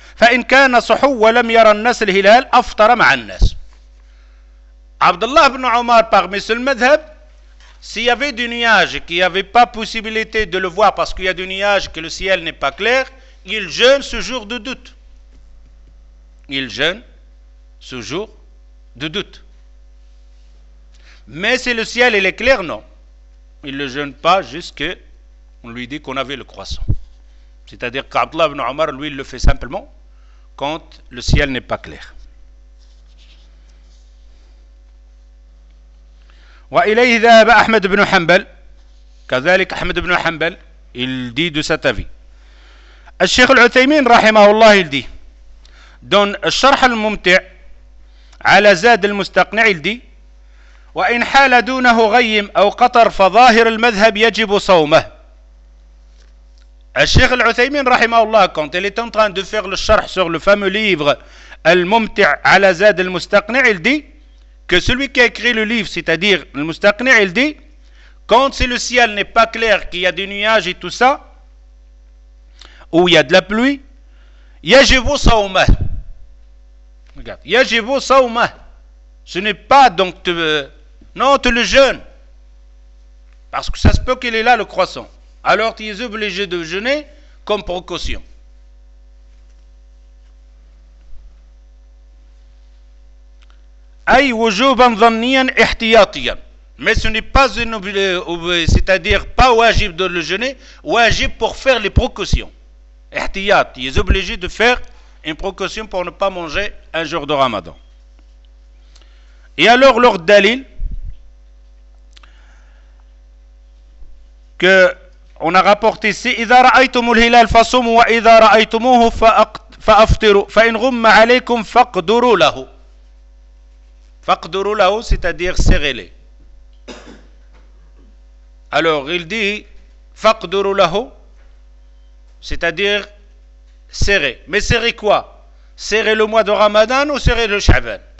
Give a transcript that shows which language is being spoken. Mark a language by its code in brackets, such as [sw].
[ar] فإن كان صحو لم يرى الناس الهلال أفطر مع الناس. [fr] عبد الله بن عمر parmi ce madhhab, s'il y avait du nuage qui avait pas possibilité de le voir parce qu'il y a du nuage que le ciel n'est pas clair, il jeûne ce jour de doute. Il jeûne ce jour de doute. Mais si le ciel est clair, non. Il le jeûne pas jusque on lui dit qu'on avait le croissant. C'est-à-dire qu'Abd Allah ibn Omar lui il le fait simplement quand le ciel n'est pas clair. [ar] وإليه ذهب أحمد بن حنبل كذلك أحمد بن حنبل [fr] il dit de cet avis. [ar] الشيخ العثيمين رحمه الله [fr] il dit donne [ar] الشرح الممتع على زاد المستقنع il dit وإن حال دونه غيم أو قطر فظاهر المذهب يجب صومه. الشيخ العثيمين رحمه الله [fr] quand il est en train de faire le charh sur le fameux livre Al-Mumti' ala Zad al-Mustaqni', il dit que celui qui a écrit le livre, c'est-à-dire Al-Mustaqni', il dit quand si le ciel n'est pas clair, qu'il y a des nuages et tout ça, ou il y a de la pluie, [ar] yajibu sawma. [fr] Regarde, [ar] yajibu sawma. [fr] Ce n'est pas donc non, tu le jeûnes. Parce que ça se peut qu'il est là le croissant. Alors tu es obligé de jeûner comme précaution. [ar] Ay wujuban dhanniyan ihtiyatiyan. [fr] Mais ce n'est pas une, c'est-à-dire pas wajib de le jeûner, wajib pour faire les précautions. Ihtiyat, tu es obligé de faire une précaution pour ne pas manger un jour de Ramadan. Et alors leur dalil que on a rapporté ici [ar] إذا رأيتم الهلال فصوموا وإذا رأيتموه فأفطروا فإن غم عليكم فاقدروا له. Faqduru lahu, [fr] c'est-à-dire serrez-les. Alors, il dit [ar] faqduru lahu, [fr] c'est-à-dire serrez. Mais serrez quoi? Serrez le mois de Ramadan ou serrez le Sha'ban?